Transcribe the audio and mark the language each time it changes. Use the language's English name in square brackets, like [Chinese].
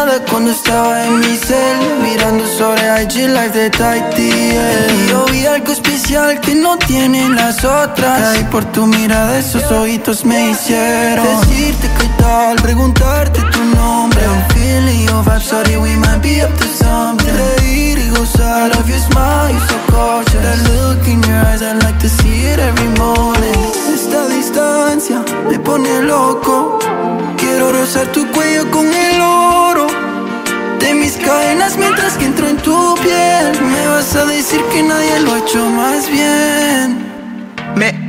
[Spanish] Cuando estaba en mi cel mirando sobre IG Live de Tighty, yeah. Y yo vi algo especial que no tienen las otras. Y por tu mirada esos ojitos me hicieron decirte qué tal, preguntarte tu nombre. [English] I'm feeling your vibe, sorry we might be up to something. [Spanish] Reír y gozar, [English] I love your smile, you're so gorgeous. That look in your eyes, I like to see it every morning. [Spanish] Esta distancia me pone loco. Quiero rozar tu cuello con el oro de mis cadenas mientras que entro en tu piel. Me vas a decir que nadie lo ha hecho más bien.